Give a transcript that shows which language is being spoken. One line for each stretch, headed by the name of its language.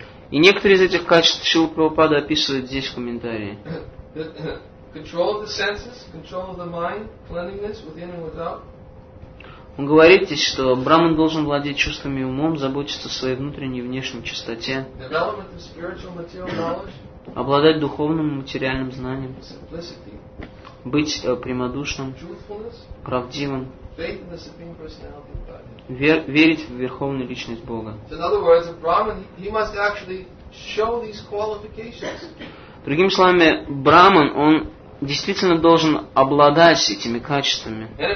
Russian: И некоторые из этих качеств Шрила Прабхупада описывает здесь в комментарии.
English: Control of the senses, control of the mind, cleanliness within and without.
Russian: Он говорит здесь, что Брахман должен владеть чувствами и умом, заботиться о своей внутренней и внешней чистоте.
English: Development of spiritual material knowledge.
Russian: Обладать духовным и материальным знанием.
English: Simplicity.
Russian: Быть прямодушным.
English: Truthfulness.
Russian: Правдивым.
English: Faith in the Supreme Personality of Godhead.
Russian: Верить в Верховную Личность Бога.
English: In other words, a Brahman, he must actually show these qualifications.
Russian: Другими словами, Брахман, он действительно должен обладать этими качествами.